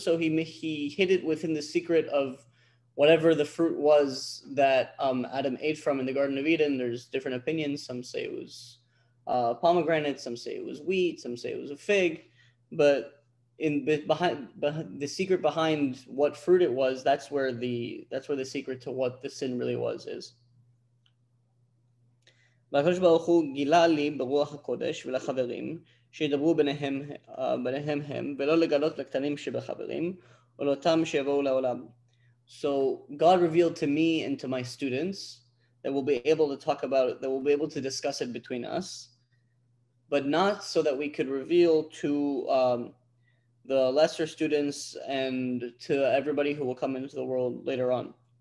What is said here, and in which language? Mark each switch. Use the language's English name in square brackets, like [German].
[English] So he hid it within the secret of whatever the fruit was that Adam ate from in the Garden of Eden. There's different opinions. Some say it was pomegranate, some say it was wheat, some say it was a fig, but the secret behind what fruit it was, that's where the secret to what the sin really was is. [Hebrew] והקדוש ברוך הוא גילה לי ברוח הקודש ולחברים שידברו ביניהם הם, ולא לגלות לקטנים שבחברים ולאותם שיבואו לעולם. [English] So God revealed to me and to my students that we'll be able to discuss it between us, but not so that we could reveal to the lesser students and to everybody who will come into the world later on.